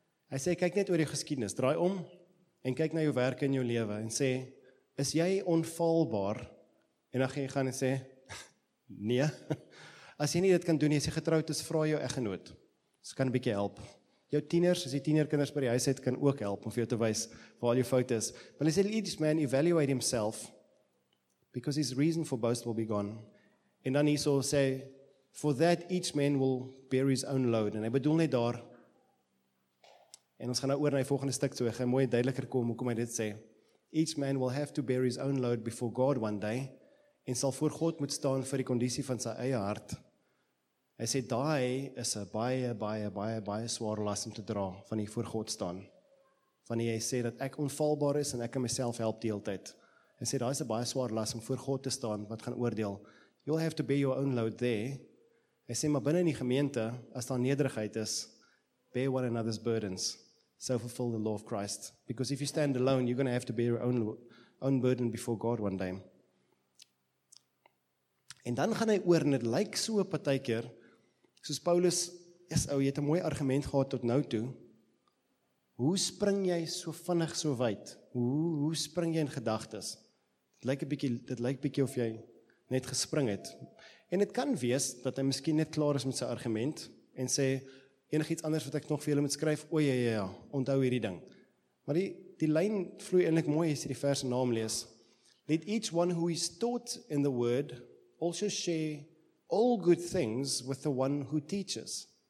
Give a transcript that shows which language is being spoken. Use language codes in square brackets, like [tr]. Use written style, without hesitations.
[af] Hy sê, kyk net oor die geskiedenis, draai om en kyk na jou werke in jou lewe en sê, is jy onfaalbaar? En dan gaan hy sê, nee. As jy nie dit kan doen, as jy getroud is, vra jou eggenoot. Dit kan 'n bietjie help. Jou tieners, as jy tienerkinders by die huis het, kan ook help om vir jou te wys waar al jou foute is. [en] But [af] hy sê, [en] each man evaluate himself because his reason for boast will be gone. [af] En dan hyso sê, [en] for that each man will bear his own load. [af] En hy bedoel net daar, En ons gaan nou oor na die volgende stuk toe. Ek gaan mooi duideliker kom hoekom hy dit sê. [en] Each man will have to bear his own load before God one day [af] en sal voor God moet staan vir die kondisie van sy eie hart. Hy sê daai is 'n baie baie baie baie swaar las om te dra van hier voor God staan. Wanneer hy sê dat ek onfaalbaar is en ek kan myself help die hele tyd. Hy sê daai is 'n baie swaar las om voor God te staan wat gaan oordeel. [en] You'll have to bear your own load there. [af] Hy sê maar binne in die gemeente as daar nederigheid is [en] Bear one another's burdens, so fulfill the law of Christ. Because if you stand alone, you're going to have to bear your own burden before God one day. [af] En dan gaan hy oor, en het lyk so op 'n partykeer, soos Paulus, is ou, jy het 'n mooi argument gehad tot nou toe, hoe spring jy so vinnig so wyd? Hoe spring jy in gedagtes? Dit lyk bietjie of jy net gespring het. En het kan wees, dat hy miskien net klaar is met sy argument, en sê, Enig iets anders wat ek nog vir julle moet skryf, o ja, ja, onthou hierdie ding. Maar die lyn vloei eintlik mooi as jy die vers naam lees. [en] Let each one who is taught in the word also share all good things with the one who teaches.